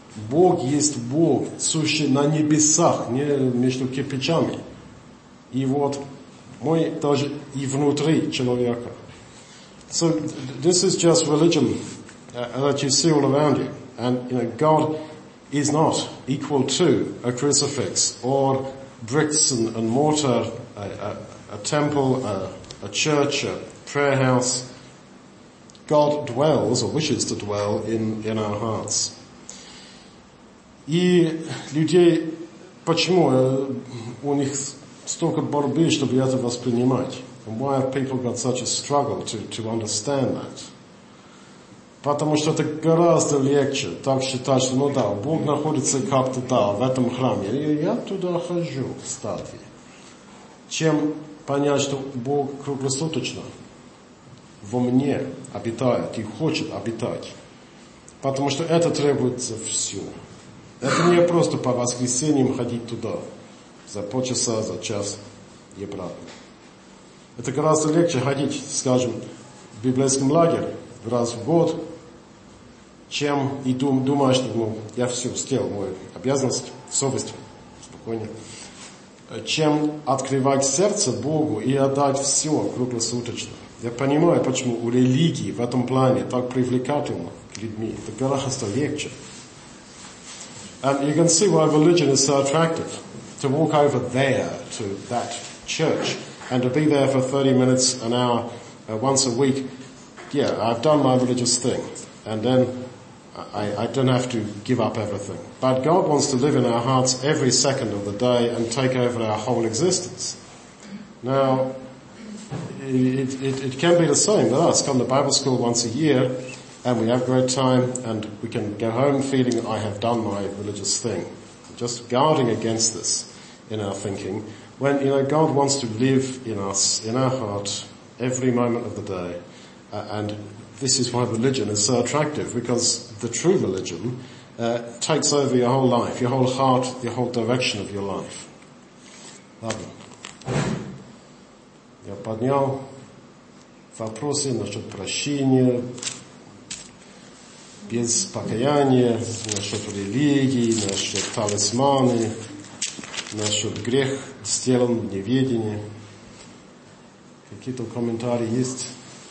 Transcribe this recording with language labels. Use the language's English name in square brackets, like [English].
[Russian] Бог есть Бог, сущий на небесах, не между кирпичами. И вот мы даже и внутри человека. [English] So this is just religion that you see all around you. And you know, God is not equal to a crucifix or bricks and mortar, a temple, a church, a prayer house. God dwells or wishes to dwell in our hearts. [Russian] И людей, почему у них столько борьбы, чтобы это воспринимать? [English] And why have people got such a struggle to understand that? [Russian] Потому что это гораздо легче так считать, что ну да, Бог находится как-то да, в этом храме. И я туда хожу, кстати. Чем понять, что Бог круглосуточно во мне обитает и хочет обитать. Потому что это требуется все. Это не просто по воскресеньям ходить туда за полчаса, за час и обратно. Это гораздо легче ходить, скажем, в библейском лагере раз в год, чем и думать, что ну, я все сделал, мою обязанность, совесть, спокойнее, чем открывать сердце Богу и отдать все круглосуточно. Я понимаю, почему у религии в этом плане так привлекательно к людьми. Это гораздо легче. [English] And you can see why religion is so attractive. To walk over there, to that church, and to be there for 30 minutes, an hour, once a week. Yeah, I've done my religious thing. And then I don't have to give up everything. But God wants to live in our hearts every second of the day and take over our whole existence. Now, it can be the same with us. Come to Bible school once a year, and we have great time, and we can go home feeling I have done my religious thing. Just guarding against this in our thinking. When, you know, God wants to live in us, in our heart, every moment of the day. And this is why religion is so attractive, because the true religion takes over your whole life, your whole heart, your whole direction of your life. [Russian] Ладно. Я поднял вопросы насчет прощения, без покаяния, насчет религии, насчет талисманы, насчет грех, сделан в неведении. Какие-то комментарии есть?